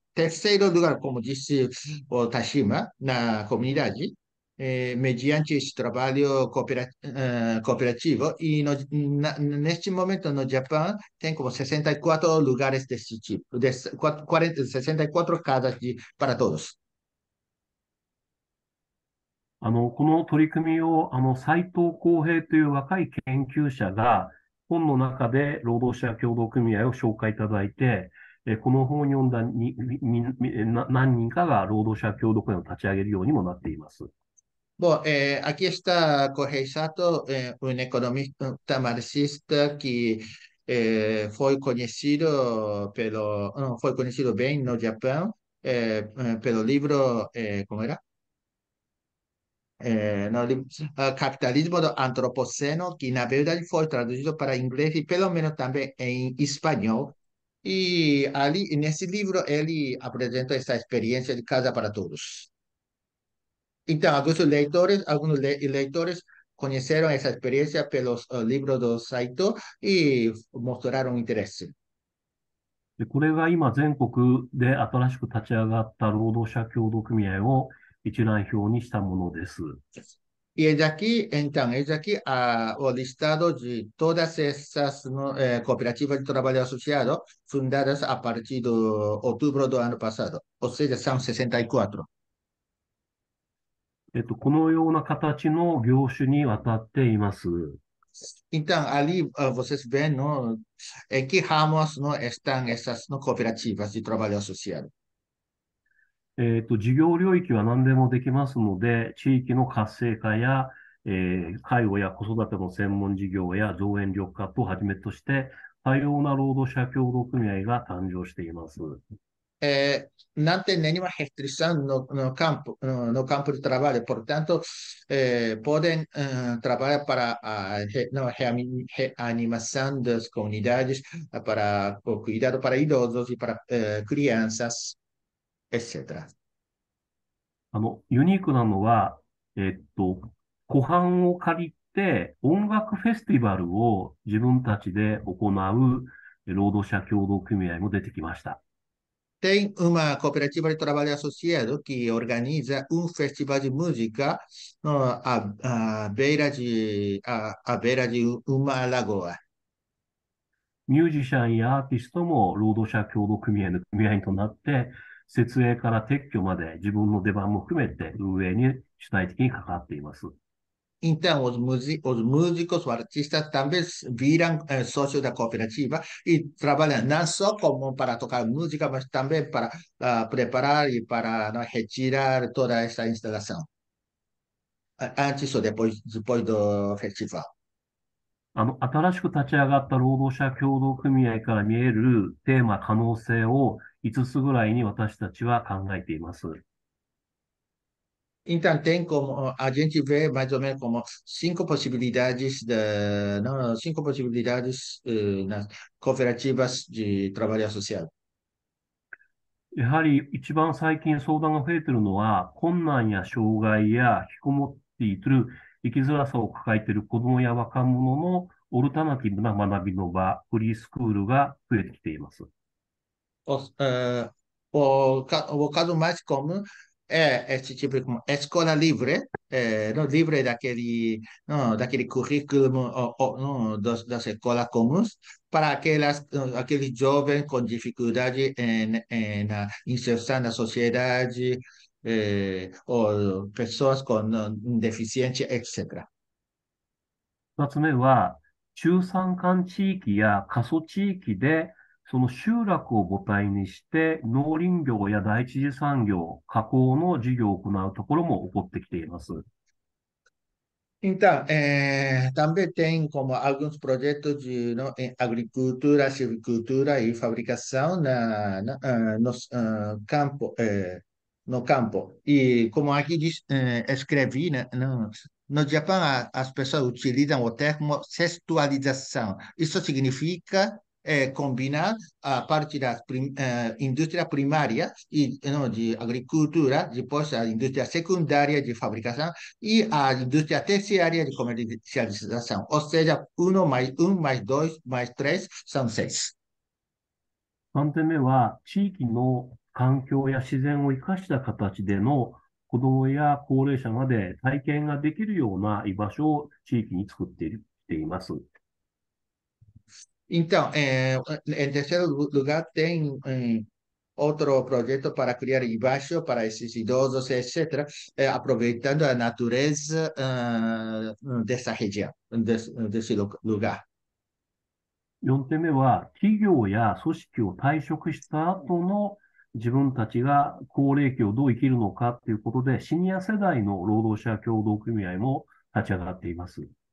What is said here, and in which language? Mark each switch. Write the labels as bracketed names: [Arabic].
[Portuguese] Terceiro lugar, como disse o Tashima, na comunidade, mediante esse trabalho cooperativo. E no, na, neste momento, no Japão, tem como 64 lugares desse tipo, 40, 64 casas para todos. [Japanese] この取り組みを斉藤幸平という若い研究者が本の中で労働者協同組合を紹介いただいて、この本を読んだにみみな何人かが労働者協同組合を立ち上げるようにもなっています。 [Portuguese] Bom, aqui está Correia Sato, um economista marxista que foi conhecido foi conhecido bem no Japão pelo livro como era? No livro, Capitalismo do Antropoceno, que na verdade foi traduzido para inglês e pelo menos também em espanhol. E ali nesse livro ele apresenta essa experiência de casa para todos. Então, alguns leitores conheceram essa experiência pelos livros do Saito e mostraram interesse. [Japanese] で、これが今全国で新しく立ち上がった労働者協同組合を一覧表にしたものです。 [Portuguese] Esse aqui é o listado de todas essas cooperativas de trabalho associado fundadas a partir de outubro do ano passado, ou seja, são 64. [Japanese] このような形の業種にわたっています。 [Portuguese] Então, ali vocês veem no, em que ramos no, estão essas no, cooperativas de trabalho associado. [Japanese] 事業領域は何でもできますので、地域の活性化や、介護や子育ての専門事業や増援緑化をはじめとして、多様な労働者協同組合が誕生しています。 [Portuguese] Não tem nenhuma restrição no campo de trabalho, portanto, podem trabalhar para a reanimação das comunidades, para o cuidado para idosos e para crianças, etc. [Japanese] ユニークなのは、湖畔を借りて音楽フェスティバルを自分たちで行う労働者協同組合も出てきました。 [Portuguese] Tem uma cooperativa de trabalho associado que organiza um festival de música à beira de uma lagoa. [Japanese] ミュージシャンやアーティストも労働者協同組合となって、設営から撤去まで自分の出番も含めて運営に主体的に関わっています。 [Portuguese] Então, os músicos, os artistas também viram sócios da cooperativa e trabalham não só como para tocar música, mas também para preparar e para retirar toda essa instalação, antes ou depois do festival. [Japanese] 新しく立ち上がった労働者協同組合から見えるテーマ可能性を5つぐらいに私たちは考えています。 [Portuguese] Então, tem como a gente vê mais ou menos como cinco possibilidades nas cooperativas de trabalho associado. [Japanese] やはり一番最近相談が増えているのは、困難や障害や引きこもっている生きづらさを抱えている子どもや若者のオルタナティブな学びの場、フリースクールが増えてきています。 [Portuguese] O caso mais comum é esse tipo de escola livre, não livre daquele, não, daquele currículo ou, não, das escolas comuns, para aqueles jovens com dificuldade na inserção na sociedade, ou pessoas com deficiência, etc. [Japanese] 2つ目は、中山間地域や過疎地域で、その集落を母体にして、農林業や第一次産業、加工の事業を行うところも起こってきています。 [Portuguese] Então, também tem como alguns projetos de não, em agricultura, silvicultura e fabricação no campo no campo. E como aqui diz, escrevi, né? No Japão, as pessoas utilizam o termo sextualização. Isso significa combinar a parte da indústria primária e não, de agricultura, depois a indústria secundária de fabricação e a indústria terciária de comercialização. Ou seja, um mais dois mais três são seis. [Japanese] 3点目は、地域の環境や自然を生かした形での子供や高齢者まで体験ができるような居場所を地域に作っています。 [Portuguese] Então, em terceiro lugar, tem outro projeto para criar embaixo para esses idosos, etc., aproveitando a natureza dessa região, desse lugar. [Japanese] 4点目は、企業や組織を退職した後の自分たちが高齢期をどう生きるのかということで、シニア世代の労働者協同組合も立ち上がっています。